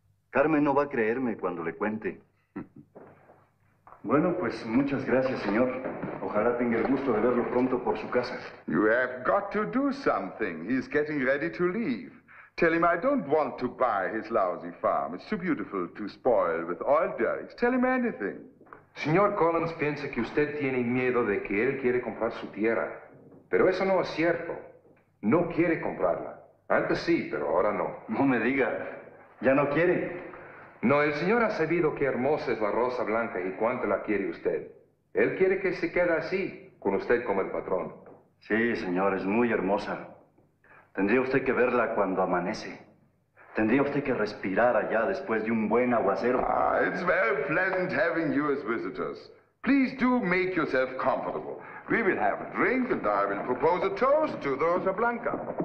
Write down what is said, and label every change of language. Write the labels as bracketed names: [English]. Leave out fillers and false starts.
[Spanish] Carmen no va a creerme cuando le cuente. Bueno, pues muchas gracias, señor. Ojalá tenga el gusto de verlo pronto por su casa. [English] You have got to do something. He's getting ready to leave. Tell him I don't want to buy his lousy farm. It's too beautiful to spoil with oil derricks. Tell him anything. [Spanish] Señor Collins piensa que usted tiene miedo de que él quiere comprar su tierra. Pero eso no es cierto. No quiere comprarla. Antes sí, pero ahora no. No me diga. ¿Ya no quiere? No, el señor ha sabido qué hermosa es la rosa blanca y cuánto la quiere usted. Él quiere que se quede así, con usted como el patrón. Sí, señor, es muy hermosa. Tendría usted que verla cuando amanece. Tendría usted que respirar allá después de un buen aguacero. [English] Ah, it's very pleasant having you as visitors. Please do make yourself comfortable. We will have a drink and I will propose a toast to the Rosa Blanca.